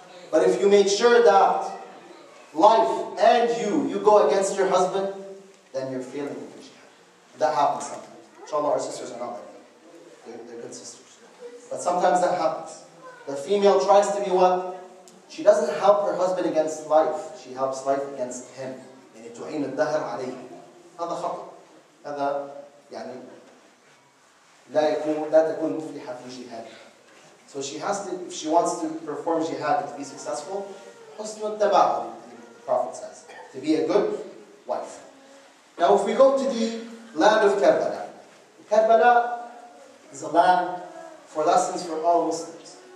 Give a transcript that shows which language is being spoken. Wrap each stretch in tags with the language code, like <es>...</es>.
<en>But if you make sure that life and you go against your husband, then you're failing in your jihad. That happens sometimes. Inshallah, our sisters are not like that. They're good sisters. But sometimes that happens. The female tries to be what? She doesn't help her husband against life. She helps life against him.</en> <ar>يعني تعين الدهر عليه. هذا خطأ. هذا يعني لا يكون لا تكون مفلحة في جهاد.</ar> <en>So she has to, if she wants to perform jihad to be successful,</en> <ar>حسن التباعد,</ar> <en>the Prophet says, to be a good wife. Now if we go to the land of Karbala. Karbala is a land for lessons for all Muslims.</en>